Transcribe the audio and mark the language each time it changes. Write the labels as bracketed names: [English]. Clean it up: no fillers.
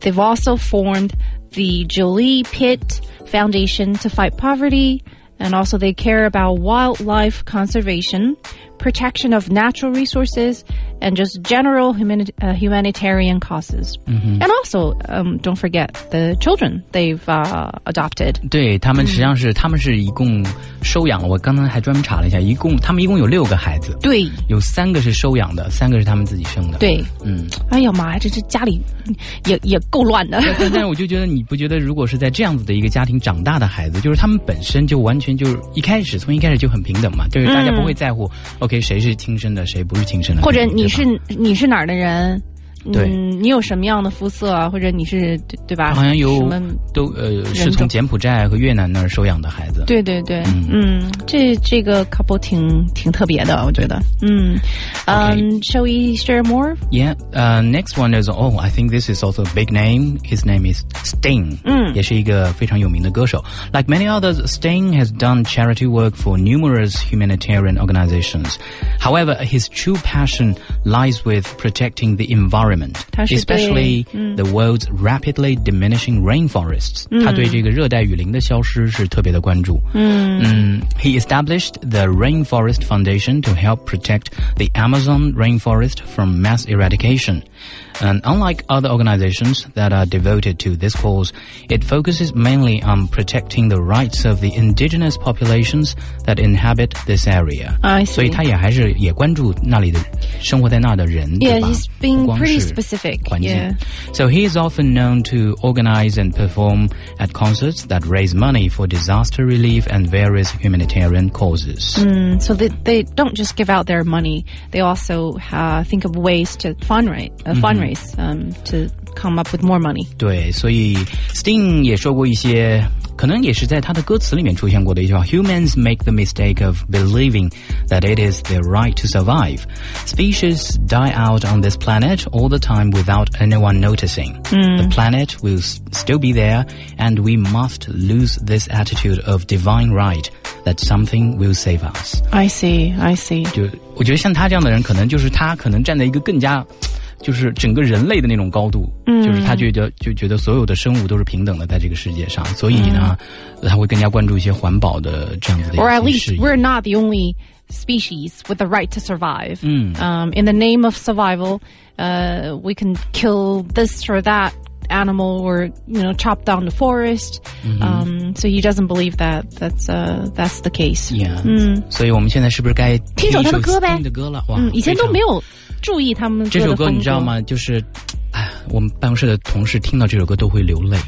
[English] They've also formed... the Jolie Pitt Foundation to fight poverty, and also they care about wildlife conservation, protection of natural resources, and just general humanitarian causes. And also, don't forget the children they've adopted. [Chinese] 对，他们实际上是他们是一共收养了，我刚才还专门查了一下，他们一共有六个孩子。对，有三个是收养的，三个是他们自己生的。对，哎呀妈呀，这家里也够乱的。但是我就觉得，你不觉得如果是在这样子的一个家庭长大的孩子，就是他们本身就完全就是从一开始就很平等嘛，就是大家不会在乎OK 谁是亲生的谁不是亲生的，或者你是哪儿的人，对，你有什么样的肤色啊，或者你是 对吧好像有什么都是从柬埔寨和越南那儿收养的孩子。对对对， 这个 couple 挺特别的我觉得。 [English] Shall we share more? Next one is, I think this is also a big name. His name is Sting. [Chinese] 也是一个非常有名的歌手。 [English] Like many others, Sting has done charity work for numerous humanitarian organizations. However, his true passion lies with protecting the environment, especially the world's rapidly diminishing rainforests. [Chinese] 他对这个热带雨林的消失是特别的关注。 [English] He established the Rainforest Foundation to help protect the Amazon rainforest from mass eradication. And unlike other organizations that are devoted to this cause, it focuses mainly on protecting the rights of the indigenous populations that inhabit this area. I see. [Chinese] 所以他也还是也关注那里的生活在那的人。 [English] Yeah, he's being pretty specific. So he is often known to organize and perform at concerts that raise money for disaster relief and various humanitarian causes. So they don't just give out their money. They also think of ways to fundraise to come up with more money. [Chinese] 对，所以 Sting 也说过一些可能也是在他的歌词里面出现过的一句话 [English] Humans make the mistake of believing that it is their right to survive. Species die out on this planet all the time without anyone noticing. The planet will still be there and we must lose this attitude of divine right that something will save us. I see. [Chinese] 我觉得像他这样的人可能就是他可能站在一个更加就是整个人类的那种高度，就是他觉得所有的生物都是平等的在这个世界上，所以呢他会更加关注一些环保的这样子的一些事业。 [English] Or at least we're not the only species with the right to survive. In the name of survival, we can kill this or that animal or, you know, chop down the forest. So he doesn't believe that that's the case. Yeah. [Chinese] 所以我们现在是不是该听首他的歌呗？听的歌了，哇，以前都没有注意他们的歌的风格。这首歌你知道吗？就是，我们办公室的同事听到这首歌都会流泪。